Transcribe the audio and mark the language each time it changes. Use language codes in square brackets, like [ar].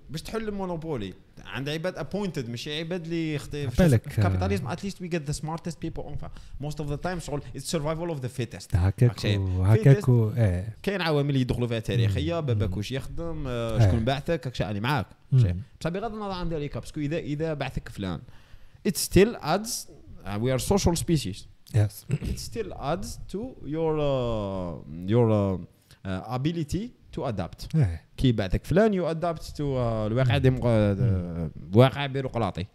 [ar] باش تحل المونوبولي عند عباد [en] appointed [ar] مش عباد اللي يختف [en] capitalism at least we get the smartest people on most of the time [ar] شغل [en] it's survival of the fittest [ar] هكاك هكاك كاين عوامل يدخلوا فيها تاريخية باباك وش يخدم شكون بعثك هكاك شاني معاك بصح بغض النظر عن ذلك باسكو إذا بعثك فلان [en] it still adds. We are social species. Yes. It still adds to your ability to adapt. [ar] كي بعدك فلان [en] you adapt to [ar] الواقع الواقع بيروقراطي.